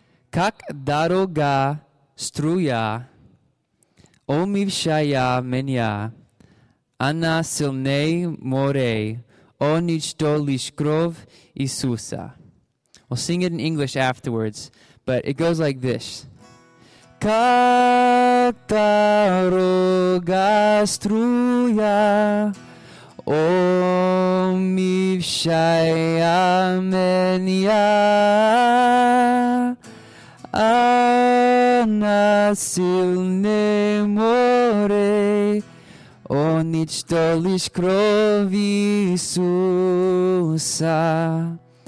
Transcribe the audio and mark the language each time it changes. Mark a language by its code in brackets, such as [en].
[ru] Как дорога струя, омывшая меня, она сильней морей, о ничто лишь кровь Иисуса. [en] We'll sing it in English afterwards, but it goes like this. [ru] Как дорога струя, омывшая меня, она сильней морей, о, ничто лишь кровь Иисуса.